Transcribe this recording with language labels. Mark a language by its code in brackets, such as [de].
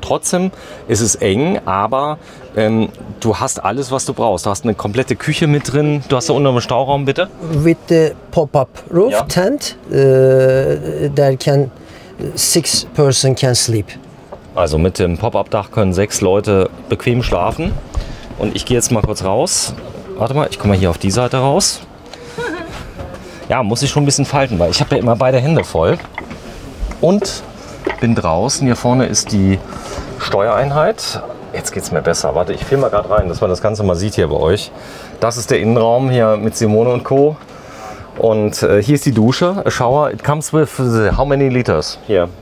[de] Trotzdem ist es eng, aber du hast alles, was du brauchst. Du hast eine komplette Küche mit drin. Du hast da unten einen Stauraum, bitte. [en] With the pop-up roof tent, there can 6 person can sleep. [de] Also mit dem Pop-up-Dach können 6 Leute bequem schlafen. Und ich gehe jetzt mal kurz raus. Warte mal, ich komme mal hier auf die Seite raus. Ja, muss ich schon ein bisschen falten, weil ich habe ja immer beide Hände voll. Und... bin draußen. Hier vorne ist die Steuereinheit. Jetzt geht es mir besser. Warte, ich filme mal gerade rein, dass man das Ganze mal sieht hier bei euch. Das ist der Innenraum hier mit Simone und Co. Und hier ist die Dusche. [en] A shower, it comes with how many liters here?